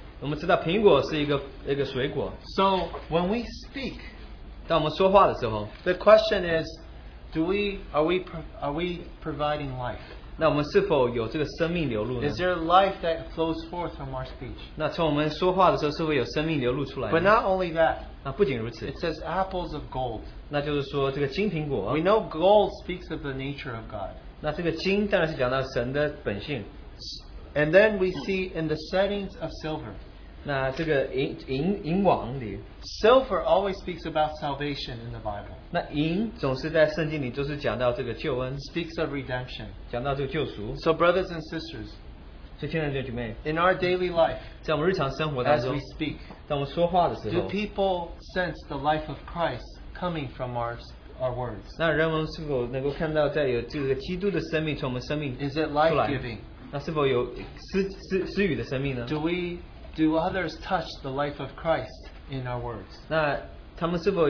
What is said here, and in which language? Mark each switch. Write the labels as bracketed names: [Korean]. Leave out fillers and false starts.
[Chinese] 我们知道苹果是一个水果 [English] So when we speak [Chinese] 当我们说话的时候 [English] the question is are we providing life? [Chinese] 那我们是否有这个生命流露呢? [English] Is there life that flows forth from our speech? [Chinese] 那从我们说话的时候是否有生命流露出来呢? [English] But not only that [Chinese] 那不仅如此, [English] it says apples of gold. [Chinese] 那就是说这个金苹果, [English] we know gold speaks of the nature of God. [Chinese] 那这个金当然是讲到神的本性, [English] and then we see in the settings of silver. [Chinese] 那这个银网里, [English] silver always speaks about salvation in the Bible. [Chinese] 那银总是在圣经里都是讲到这个救恩, [English] speaks of redemption. [Chinese] 讲到这个救赎, [English] so, brothers and sisters, [Chinese] 所以亲爱的姐妹, [English] in our daily life, [Chinese] 在我们日常生活当中, [English] as we speak, [Chinese] 当我们说话的时候, [English] do people sense the life of Christ coming from our words? [Chinese] 那人们是否能够看到在有这个基督的生命从我们生命, [English] is it life-giving? [Chinese] 那是否有私语的生命呢? [English] Do others touch the life of Christ in our words?